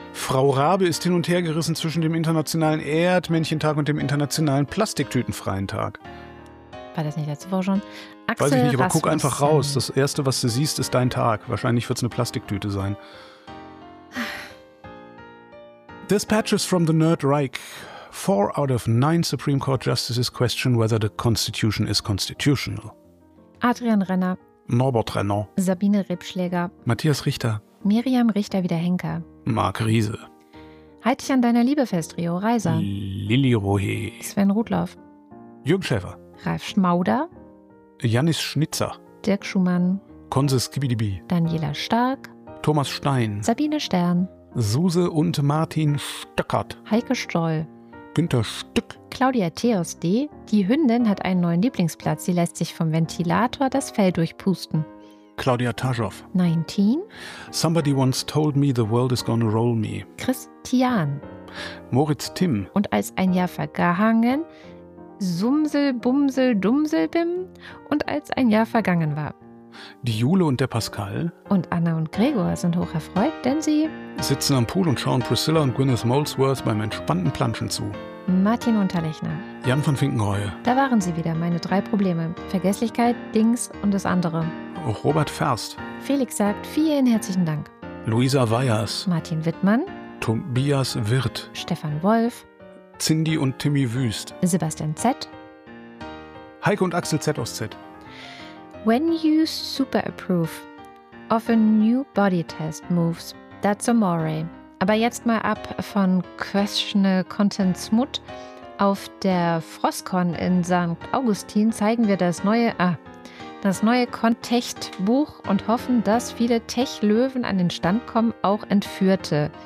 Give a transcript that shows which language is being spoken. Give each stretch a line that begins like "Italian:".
German: Frau Rabe ist hin und her gerissen zwischen dem internationalen Erdmännchentag und dem internationalen plastiktütenfreien Tag. War das nicht letzte Woche schon? Axel, weiß ich nicht, aber Rasmus, guck einfach raus. Das Erste, was du siehst, ist dein Tag. Wahrscheinlich wird es eine Plastiktüte sein.
English: Dispatches from the Nerd Reich. 4 out of 9 Supreme Court Justices question whether the Constitution is constitutional.
German: Adrian Renner. Norbert Renner. Sabine Rebschläger. Matthias Richter. Miriam Richter-Wiederhenker. Marc Riese. Halt dich an deiner Liebe fest, Rio Reiser. Lilly Rohe. Sven Rudloff. Jürgen Schäfer. Ralf Schmauder. Janis Schnitzer. Dirk Schumann. Konse Skibidibi. Daniela Stark. Thomas Stein. Sabine Stern. Suse und Martin Stöckert. Heike Stoll. Günther Stück. Claudia Theos D. Die Hündin hat einen neuen Lieblingsplatz. Sie lässt sich vom Ventilator das Fell durchpusten. Claudia Taschow. 19.
English: Somebody once told me the world is gonna roll me.
German: Christian. Moritz Timm. Und als ein Jahr vergangen... Sumsel, Bumsel, Dumselbim und als ein Jahr vergangen war. Die Jule und der Pascal. Und Anna und Gregor sind hoch erfreut, denn sie sitzen am Pool und schauen Priscilla und Gwyneth Molesworth beim entspannten Planschen zu. Martin Unterlechner. Jan von Finkenreue. Da waren sie wieder, meine drei Probleme. Vergesslichkeit, Dings und das andere. Auch Robert Ferst. Felix sagt vielen herzlichen Dank. Luisa Weyers. Martin Wittmann. Tobias Wirth. Stefan Wolf. Cindy und Timmy Wüst. Sebastian Z. Heike und Axel Z aus Z.
English: When you super approve of a new body test moves, that's amore.
German: Aber jetzt mal ab von Questional Content Smut. Auf der Frostcon in St. Augustin zeigen wir das neue Contech-Buch und hoffen, dass viele Tech-Löwen an den Stand kommen, auch Entführte.